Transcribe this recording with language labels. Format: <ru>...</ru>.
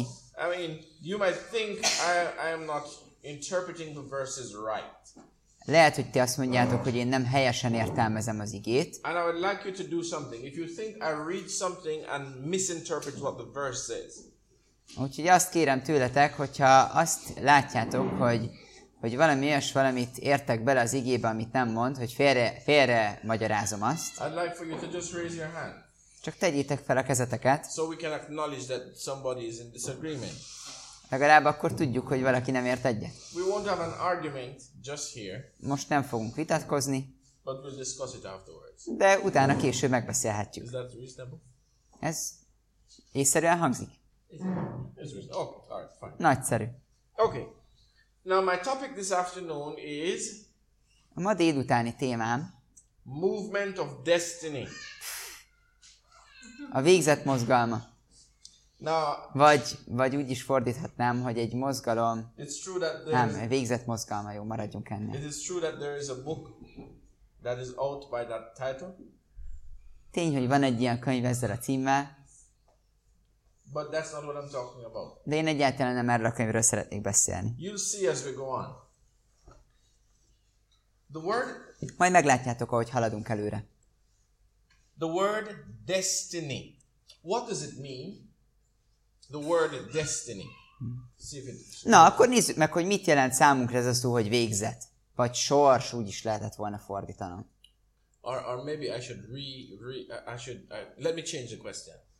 <en>I mean, you might think I am not interpreting the verses right.</en> <hu>Lehet, hogy ti azt mondjátok, hogy én nem helyesen értelmezem az igét.</hu> <en>And I would like you to do something. If you think I read something and misinterpret what the verse says.</en> <hu>Úgyhogy azt kérem tőletek, hogyha azt látjátok, hogy valami olyas valamit értek bele az igébe, amit nem mond, hogy félre magyarázom azt.</hu> <en>I'd like for you to just raise your hand.</en> <hu>Csak tegyétek fel a kezeteket.</hu> <en>So we can acknowledge that somebody is in disagreement.</en> <hu>Legalább akkor tudjuk, hogy valaki nem ért egyet.</hu> <en>We won't have an argument just here.</en> <hu>Most nem fogunk vitatkozni.</hu> <en>But we'll discuss it afterwards.</en> <hu>De utána később megbeszélhetjük.</hu> <en>Is that reasonable?</en> <hu>Ez észszerűen hangzik.</hu> <en>Is it? Oh, all right, fine.</en> <hu>Nagyszerű.</hu> <en>Okay. Now my topic this afternoon is</en> <hu>a ma délutáni témám</hu> <en>movement of destiny.</en> <hu>A végzet mozgalma.</hu> <en>Now,</en> <hu>vagy úgy is fordíthatnám, hogy egy mozgalom.</hu> <en>It's true that</en> <hu>a végzet mozgalma, jó, maradjunk ennél.</hu> <en>It is true that there is a book that is out by that title.</en> <hu>Tény, hogy van egy ilyen könyv ezzel a címmel.</hu> <en>But that's not what I'm talking about.</en> <hu>De én egyáltalán nem erről a könyvről szeretnék beszélni.</hu> <en>You'll see as we go on. The word.</en> <hu>Majd meglátjátok, ahogy haladunk előre.</hu> <en>The word destiny. What does it mean? The word destiny.</en> <hu>Na, akkor nézzük meg, hogy mit jelent számunkra ez a szó, hogy végzet. Vagy sors, úgy is lehetett volna fordítanom.</hu> <en>Or maybe I should let me change the question.</en>